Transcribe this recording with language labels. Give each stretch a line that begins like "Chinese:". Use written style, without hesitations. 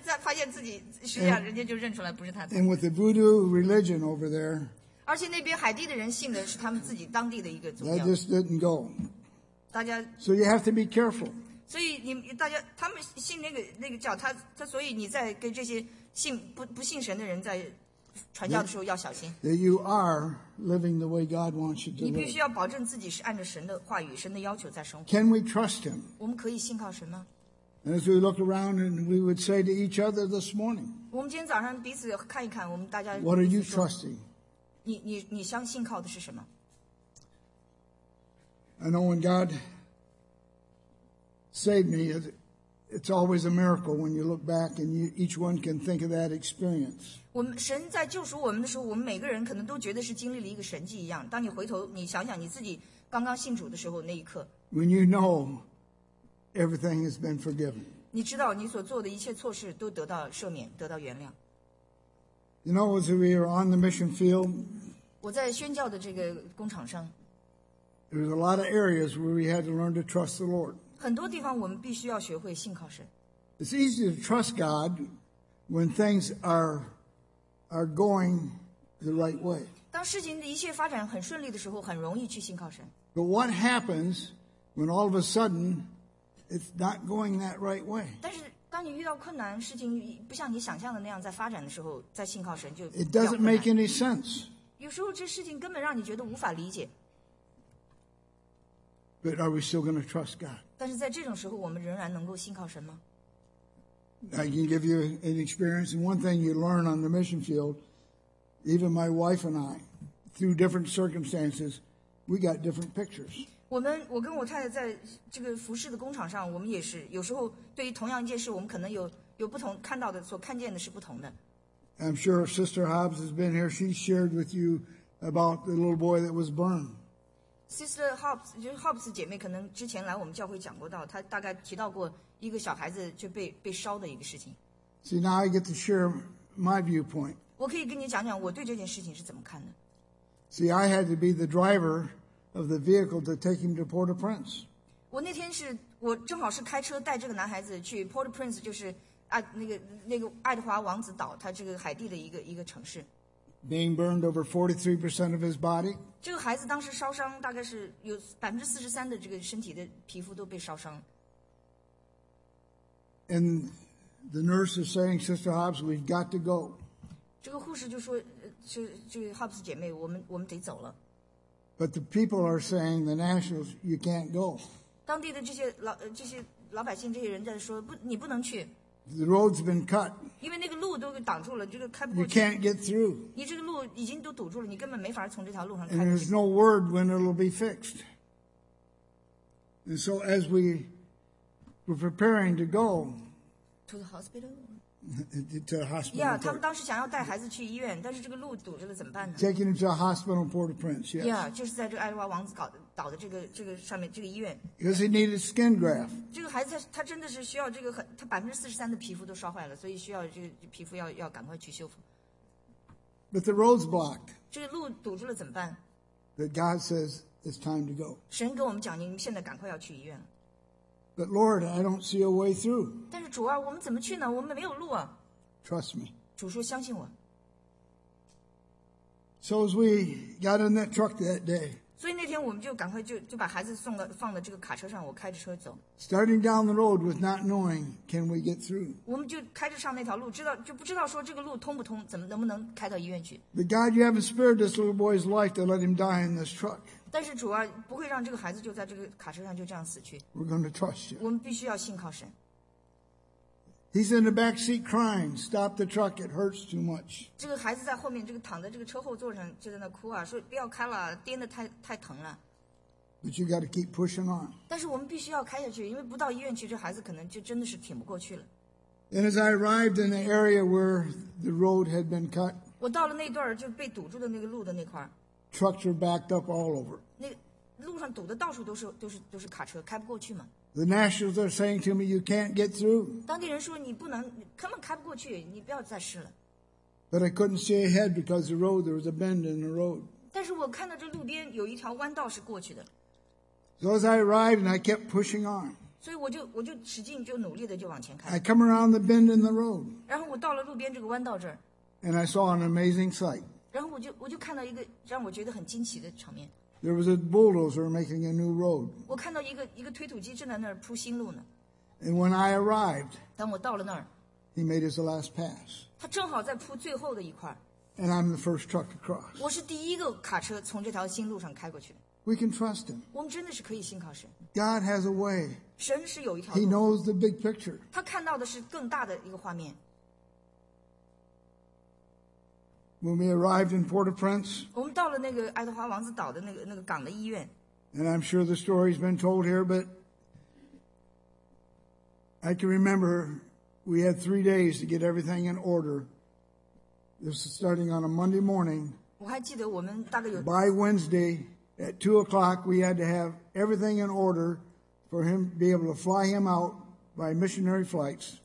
Chinese: 发现自己实际上人家就认出来不是他的。
English: And with the voodoo religion over there,
Chinese: 而且那边海地的人信的是他们自己当地的一个宗教。
English: That just didn't go.
Chinese: 大家。
English: So you have to be careful.
Chinese: 所以你大家他们信那个教他所以你在跟这些信不信神的人在传教的时候要小心。
English: That you are living the way God wants you to live.
Chinese: 你必须要保证自己是按照神的话语、神的要求在生活。
English: Can we trust Him?
Chinese: 我们可以信靠神吗？
English: And as we look around, and we would say to each other this morning,
Chinese: 我们今天早上彼此看一看，我们大家
English: What are you trusting?
Chinese: 你相信靠的是什么？
English: I know when God saved me, it's always a miracle when you look back, and each one can think of that experience.
Chinese: 我们神在救赎我们的时候，我们每个人可能都觉得是经历了一个神迹一样。当你回头，你想想你自己刚刚信主的时候那一刻
English: ，When you know. Everything has been forgiven.
Chinese: 你知道你所做的一切错事都得到赦免，得到原谅。
English: You know, as we were on the mission field,
Chinese: 我在宣教的这个工厂上。
English: There was a lot of areas where we had to learn to trust the Lord.
Chinese: 很多地方我们必须要学会信靠神。
English: It's easy to trust God when things are going the right way.
Chinese: 当事情的一切发展很顺利的时候，很容易去信靠神。
English: But what happens when all of a sudden It's not going that right way.
Chinese: 但是当你遇到困难，事情不像你想象的那样在发展的时候，在信靠神就。
English: It doesn't make any sense.
Chinese: 有时候这事情根本让你觉得无法理解。
English: But are we still going to trust God?
Chinese: 但是在这种时候，我们仍然能够信靠神吗
English: ？I can give you an experience, and one thing you learn on the mission field, even my wife and I, through different circumstances, we got different pictures.
Chinese: 我跟我太太在这个服饰的工厂上，我们也是有时候对于同样一件事，我们可能有不同看到的，所看见的是不同的。
English: I'm sure Sister Hobbs has been here. She shared with you about the little boy that was burned.
Chinese: Sister Hobbs 就是 Hobbs 姐妹，可能之前来我们教会讲过到，她大概提到过一个小孩子就被烧的一个事情。
English: See, now I get to share my viewpoint.
Chinese: 我可以跟你讲讲我对这件事情是怎么看的。
English: See, I had to be the driver. Of the vehicle to take him to Port-au-Prince.
Chinese: 我那天是我正好是开车带这个男孩子去 Port-au-Prince， 就是那个爱德华王子岛，他这个海地的一个城市。
English: Being burned over 43% of his body.
Chinese: 这个孩子当时烧伤，大概是有43%的这个身体的皮肤都被烧伤。
English: And the nurse is saying, Sister Hobbs, we've got to go.
Chinese: 这个护士就说，就 Hobbs 姐妹，我们得走了。
English: But the people are saying the nationals, you can't go.
Chinese: 当地的这些老百姓这些人在说不，你不能去。
English: The road's been cut.
Chinese: 因为那个路都挡住了，这个开不过去。
English: You can't get through.
Chinese: 你这个路已经都堵住了，你根本没法从这条路上开。
English: And there's no word when it'll be fixed. And so as we were preparing to go to the hospital. To the hospital.
Chinese: Yeah, 他们当时想要带孩子去医院，但是这个路堵着了，怎么办呢
English: ？Taking him to a hospital, Port-au-Prince. Yes.
Chinese: Yeah, 就是在这个爱德华王子岛的这个上面这个医院。
English: Because he needed skin graft.
Chinese: 这个孩子他真的是需要这个很，他43%的皮肤都烧坏了，所以需要这个皮肤要赶快去修复。
English: But the road's blocked.
Chinese: 这个路堵住了怎么办
English: ？But God says it's time to go.
Chinese: 神跟我们讲，你们现在赶快要去医院了。
English: But Lord, I don't see a way through.
Chinese: 但是主啊，我们怎么去呢？我们没有路啊。
English: Trust me.
Chinese: 主说相信我。
English: So as we got in that truck that day.
Chinese: 所以那天我们就赶快就把孩子放到这个卡车上，我开着车走。
English: Starting down the road with not knowing, can we get through?
Chinese: 我们就开着上那条路，不知道说这个路通不通，怎么能不能开到医院去。
English: But God, you haven't spared this little boy's life to let him die in this truck.
Chinese: 但是主啊，不会让这个孩子就在这个卡车上就这样死去。
English: We're going to trust you.
Chinese: 我们必须要信靠神。
English: He's in the back seat crying. Stop the truck. It hurts too much.
Chinese: 这个孩子在后面，这个躺在这个车后座上，就在那哭啊，说不要开了，颠得太疼了。
English: But you got to keep pushing on.
Chinese: 但是我们必须要开下去，因为不到医院去，这孩子可能就真的是挺不过去了。
English: And as I arrived in the area where the road had been cut,
Chinese: 我到了那段就被堵住的那个路的那块。
English: Trucks were backed up all over.
Chinese: 那路上堵的到处都是卡车，开不过去嘛。
English: The nationals are saying to me, "You can't get through."
Chinese: 当地人说你不能，根本开不过去，你不要再试了。
English: But I couldn't see ahead because the road there was a bend in the road.
Chinese: 但是我看到这路边有一条弯道是过去的。
English: So as I arrived, and I kept pushing on.
Chinese: 所以我就使劲就努力的就往前开。
English: I come around the bend in the road.
Chinese: 然后我到了路边这个弯道这儿。
English: And I saw an amazing sight.
Chinese: 然后我就看到一个让我觉得很惊奇的场面。
English: There was a bulldozer making a new road.
Chinese: 我看到一个推土机正在那儿铺新路呢。
English: And when I arrived,
Chinese: 当我到了那儿
English: he made his last pass.
Chinese: 他正好在铺最后的一块。
English: And I'm the first truck to cross.
Chinese: 我是第一个卡车从这条新路上开过去。
English: We can trust him.
Chinese: 我们真的是可以信靠神。
English: God has a way.
Chinese: 神是有一条路。
English: He knows the big picture.
Chinese: 他看到的是更大的一个画面。
English: When we arrived in Port-au-Prince,
Chinese: 我们到了那个爱德华王子岛的那个港的医院。
English: And I'm sure the story's been told here, but I can remember we had 3 days to get everything in order. This is starting on a Monday morning.
Chinese: 我还记得我们大概有
English: by Wednesday at 2 o'clock, we had to have everything in order for him be able to fly him out by missionary flights.